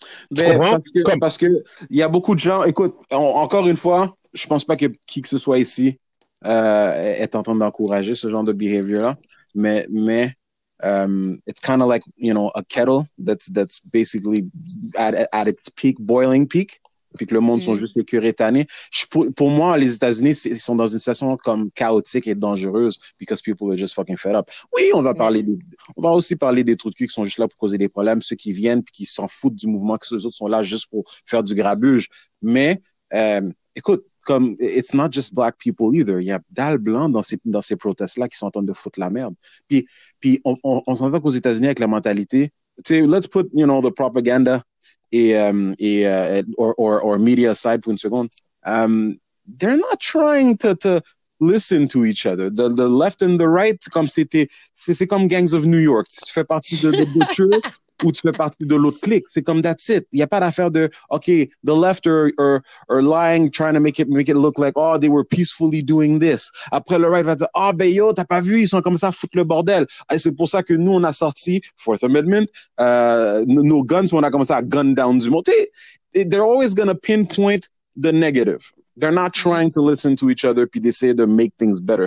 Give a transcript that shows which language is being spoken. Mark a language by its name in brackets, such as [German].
[French] Ben, tu comprends? Parce que il y a beaucoup de gens, écoute, encore une fois, je pense pas que qui que ce soit ici est en train d'encourager ce genre de behavior là, mais [English] it's kind of like, you know, a kettle that's basically at its peak, boiling peak, [French] puis que le monde sont juste écœurés, tannés. Pour moi, les États-Unis, ils sont dans une situation comme chaotique et dangereuse [English] because people are just fucking fed up. [French] Oui, on va aussi parler des trous de cul qui sont juste là pour causer des problèmes, ceux qui viennent puis qui s'en foutent du mouvement, que ceux autres sont là juste pour faire du grabuge. Mais écoute, comme, [English] it's not just black people either. [French] Il y a dalle blanc dans ces protestes-là qui sont en train de foutre la merde. Puis on s'entend qu'aux États-Unis avec la mentalité, tu sais, [English] let's put, you know, the propaganda or media aside [French] pour une seconde. [English] They're not trying to listen to each other. The left and the right, [French] comme c'est comme [English] Gangs of New York. [French] Si tu fais partie de Butcher, ou tu fais partie de l'autre clique, c'est comme [English] that's it. [French] Il y a pas d'affaire de [English] OK, the left are lying, trying to make it look like, oh, they were peacefully doing this. [French] Après, le right va dire, oh, ben yo, t'as pas vu, ils sont comme ça, foutre le bordel. Et c'est pour ça que nous, on a sorti Fourth Amendment, nos guns, on a commencé à gun down du monde. [English] They're always gonna pinpoint the negative. They're not trying to listen to each other [French] puis d'essayer de [English] make things better.